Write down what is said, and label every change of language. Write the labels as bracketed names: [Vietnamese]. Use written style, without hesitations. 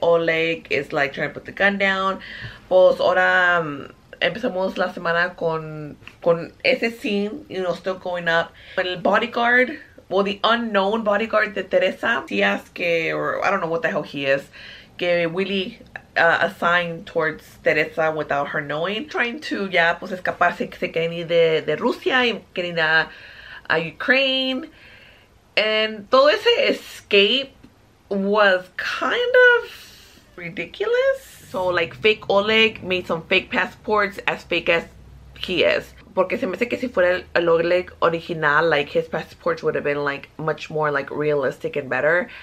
[English] Oleg is like trying to put the gun down. [Spanish] Pues ahora empezamos la semana con ese [English] scene, you know, still going up. But el bodyguard, well, the unknown bodyguard de Teresa, he asked, or I don't know what the hell he is, que Willy assigned towards Teresa without her knowing. Trying to, yeah, [Spanish] pues escaparse, que se quieren ir de Rusia y quieren ir a Ukraine. [English] And [Spanish] todo ese [English] escape was kind of ridiculous. So, like, fake Oleg made some fake passports, as fake as he is. [Spanish] Porque se me hace que si fuera el Oleg original, [English] like, his passports would have been, like, much more, like, realistic and better.